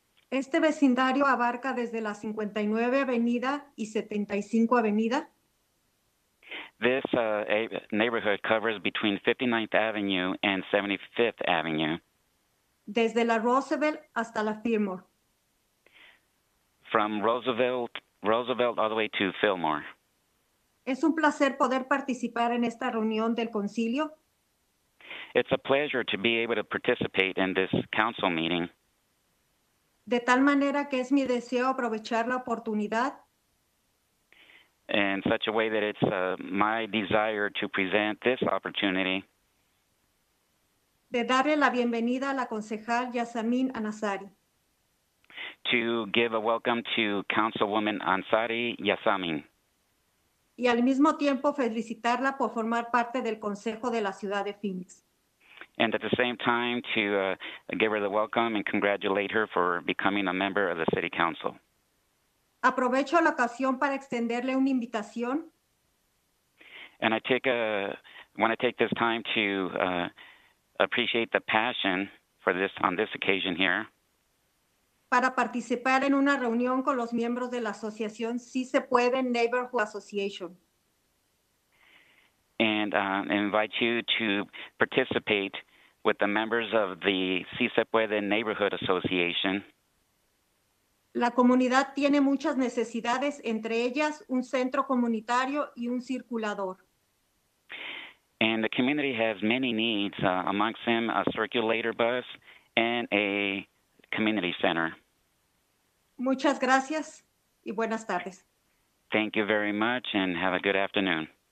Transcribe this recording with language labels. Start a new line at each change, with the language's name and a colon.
Spanish: Este vecindario abarca desde la 59 Avenida y 75 Avenida.
English: This neighborhood covers between 59th Avenue and 75th Avenue.
Spanish: Desde la Roosevelt hasta la Fillmore.
English: From Roosevelt all the way to Fillmore.
Spanish: Es un placer poder participar en esta reunión del concilio.
English: It's a pleasure to be able to participate in this council meeting.
Spanish: De tal manera que es mi deseo aprovechar la oportunidad.
English: In such a way that it's my desire to present this opportunity.
Spanish: De darle la bienvenida a la concejal Yasmin Ansari.
English: To give a welcome to Councilwoman Ansari Yasmin.
Spanish: Y al mismo tiempo felicitarla por formar parte del Consejo de la Ciudad de Phoenix.
English: And at the same time to give her the welcome and congratulate her for becoming a member of the City Council.
Spanish: Aprovecho la ocasión para extenderle una invitación.
English: And I want to take this time to appreciate the passion for this on this occasion here.
Spanish: Para participar en una reunión con los miembros de la asociación Si Se Puede Neighborhood Association.
English: And invite you to participate with the members of the Si Se Puede Neighborhood Association.
Spanish: La comunidad tiene muchas necesidades, entre ellas un centro comunitario y un circulador.
English: And the community has many needs, amongst them a circulator bus and a community center.
Spanish: Muchas gracias y buenas tardes.
English: Thank you very much and have a good afternoon.